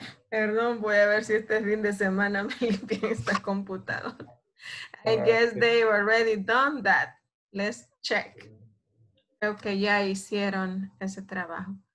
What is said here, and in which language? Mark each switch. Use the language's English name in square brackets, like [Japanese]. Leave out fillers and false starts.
[Spanish] Perdón, voy a ver si este fin de semana me limpia esta computadora. [English] I guess they've already done that. Let's check. [Spanish] Creo que ya hicieron ese trabajo.